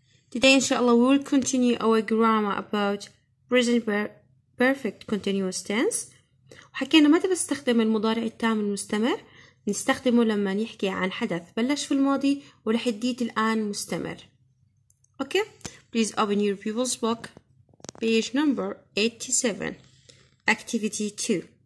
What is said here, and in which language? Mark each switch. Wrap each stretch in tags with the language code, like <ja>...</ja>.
<en>Today, inshallah, we will continue our grammar about present perfect continuous tense.</en> <ar>وحكينا متى بستخدم المضارع التام المستمر؟ نستخدمه لما نحكي عن حدث بلش في الماضي ولحديت الآن مستمر.</ar> <en>Okay, please open your pupil's book, page number 87, activity 2.</en>